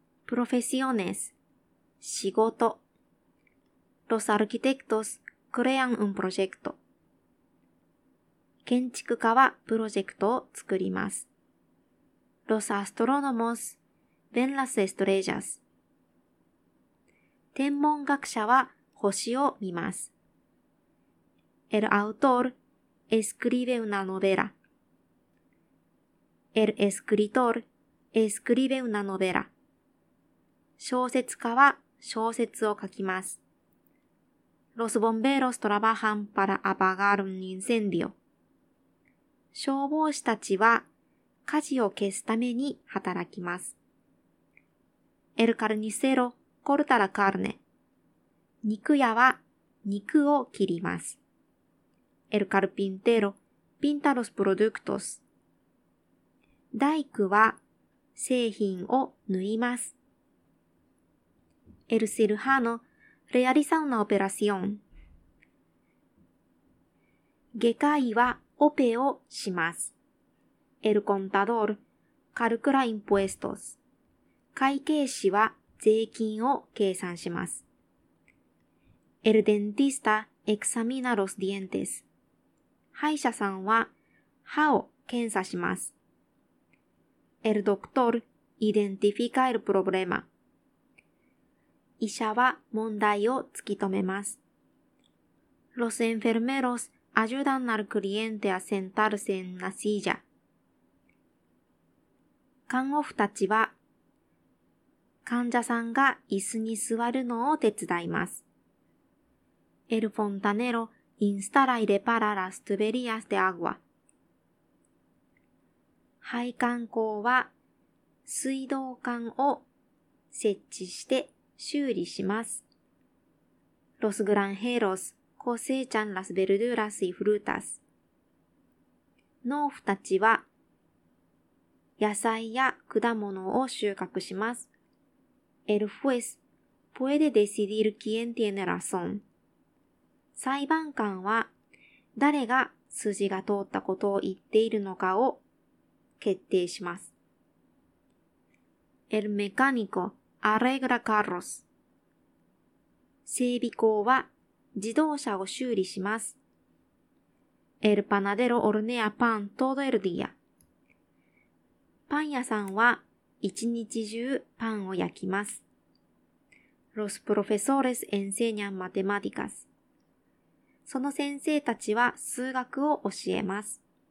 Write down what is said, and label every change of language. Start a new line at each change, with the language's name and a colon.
Spanish: profesiones, 仕事。 Los arquitectos crean un proyecto.
Japanese: 建築家はプロジェクトを作ります。
Spanish: Los astrónomos ven las estrellas.
Japanese: 天文学者は星を見ます。
Spanish: El autor escribe una novela. El escritor escribe una novela.
Japanese: 小説家は小説を書きます。
Spanish: Los bomberos trabajan para apagar un incendio.
Japanese: 消防士たちは火事を消すために働きます。
Spanish: El carnicero corta la carne.
Japanese: 肉屋は肉を切ります。
Spanish: El carpintero pinta los productos.
Japanese: 大工は製品を縫います。
Spanish: El cirujano realiza una operación.
Japanese: 外科医はオペをします。
Spanish: El contador calcula impuestos.
Japanese: 会計士は税金を計算します。
Spanish: El dentista examina los dientes.
Japanese: 歯医者さんは歯を検査します。
Spanish: El doctor identifica el problema.
Japanese: 医者は問題を突き止めます。
Spanish: Los enfermerosAyudan al cliente a sentarse en la silla.
Japanese: 看護婦たちは患者さんが椅子に座るのを手伝います。
Spanish: El fontanero instala y repara las tuberías de agua.
Japanese: 配管工は水道管を設置して修理します。
Spanish: Los granjeros. Cosechan las verduras y frutas.
Japanese: 農夫たちは野菜や果物を収穫します。
Spanish: El juez puede decidir quién tiene razón.
Japanese: 裁判官は誰が筋が通ったことを言っているのかを決定します。
Spanish: El mecánico arregla carros.
Japanese: 整備工は自動車を修理します。
Spanish: El panadero hornea pan todo el día.
Japanese: パン屋さんは一日中パンを焼きます。
Spanish: Los profesores enseñan matemáticas.
Japanese: その先生たちは数学を教えます。